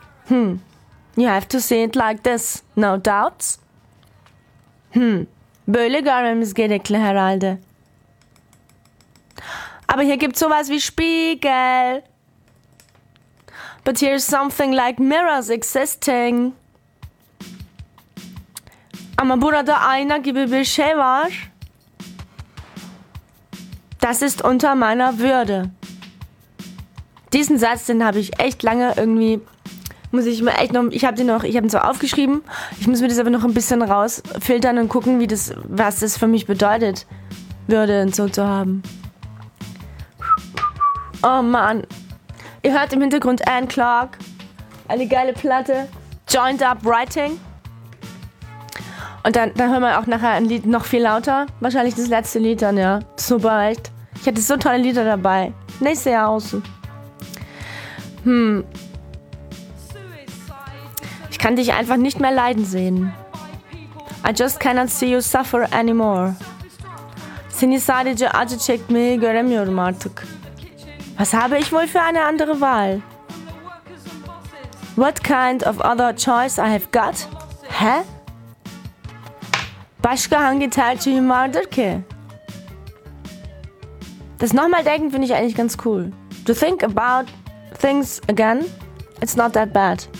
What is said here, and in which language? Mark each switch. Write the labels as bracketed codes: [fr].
[en] You have to see it like this, no doubts. [tr] Böyle görmemiz gerekli herhalde. [de] Aber hier gibt's sowas wie Spiegel. [en] But here's something like mirrors existing. [tr] Ama burada ayna gibi bir şey var. [de] Das ist unter meiner Würde. Diesen Satz, den habe ich echt lange irgendwie, muss ich mir echt noch, ich habe ihn zwar aufgeschrieben, ich muss mir das aber noch ein bisschen rausfiltern und gucken, wie das, was das für mich bedeutet, Würde und so zu haben. Oh Mann. Ihr hört im Hintergrund Anne Clark. Eine geile Platte. Joined Up Writing. Und dann hören wir auch nachher ein Lied noch viel lauter. Wahrscheinlich das letzte Lied dann, ja. Super, echt. Ich hätte so tolle Lieder dabei. Nächste Jahr außen. Ich kann dich einfach nicht mehr leiden sehen. [en] I just cannot see you suffer anymore. [tr] Seni sadece acı çekmeyi göremiyorum artık. [de] Was habe ich wohl für eine andere Wahl? [en] What kind of other choice I have got? Hä? [tr] Başka hangi tercihim vardır ki? [de] Das nochmal denken finde ich eigentlich ganz cool. [en] To think about things again, it's not that bad.